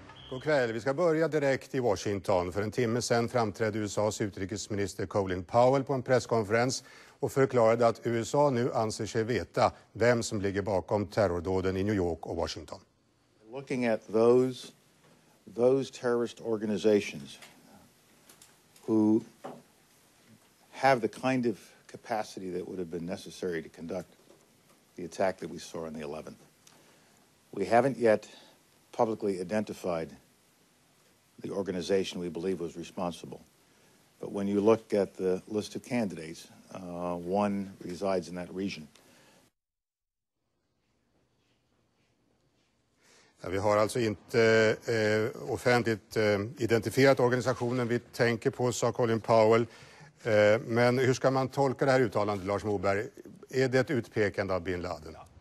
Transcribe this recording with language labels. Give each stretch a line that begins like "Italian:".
Swedish: God kväll. Vi ska börja direkt i Washington. För en timme sen framträdde USAs utrikesminister Colin Powell på en presskonferens och förklarade att USA nu anser sig veta vem som ligger bakom terrordåden i New York och Washington.
English: Looking at those terrorist organizations who have the kind of capacity that would have been necessary to conduct the attack that we saw on the 11th. We haven't yet publicly identified the organization we believe was responsible. But when you look at the list of candidates, one resides in that region.
Swedish: Ja, vi har alltså inte offentligt identifierat organisationen vi tänker på, sa Colin Powell. Men hur ska man tolka det här uttalandet, Lars Moberg? Är det ett utpekande av Bin Laden?